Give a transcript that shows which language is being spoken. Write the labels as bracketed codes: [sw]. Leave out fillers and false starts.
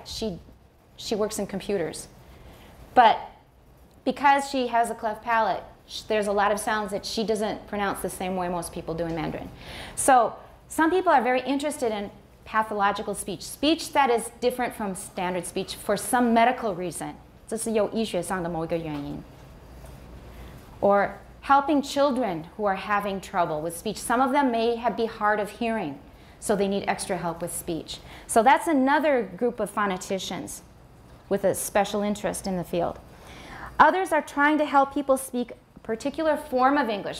[en] She works in computers. But because she has a cleft palate, there's a lot of sounds that she doesn't pronounce the same way most people do in Mandarin. So some people are very interested in pathological speech, speech that is different from standard speech for some medical reason. [zh] 这是有医学上的某一个原因。 [en] Or helping children who are having trouble with speech. Some of them may be hard of hearing, so they need extra help with speech. So that's another group of phoneticians with a special interest in the field. Others are trying to help people speak a particular form of English.